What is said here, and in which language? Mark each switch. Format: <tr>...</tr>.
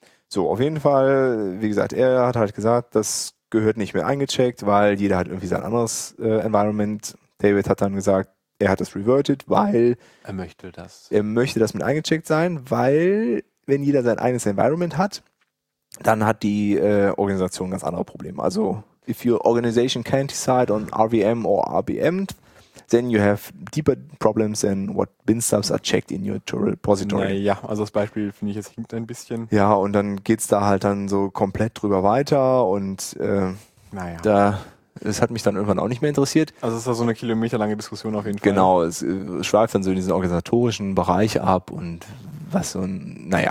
<de>So, auf jeden Fall, wie gesagt, er hat halt gesagt, dass gehört nicht mehr eingecheckt, weil jeder hat irgendwie sein anderes Environment. David hat dann gesagt, er hat das reverted, weil Er möchte das mit eingecheckt sein, weil wenn jeder sein eigenes Environment hat, dann hat die Organisation ganz andere Probleme.</de> <en>Also if your organization can't decide on RVM or RBM, then you have deeper problems than what binstubs are checked in your repository.</en> <de>Naja, also das Beispiel finde ich jetzt hinkt ein bisschen. Ja, und dann geht's da halt dann so komplett drüber weiter und es hat mich dann irgendwann auch nicht mehr interessiert. Also es ist da so eine kilometerlange Diskussion auf jeden Fall. Genau, es schweift dann so in diesen organisatorischen Bereich ab und was so ein,</de>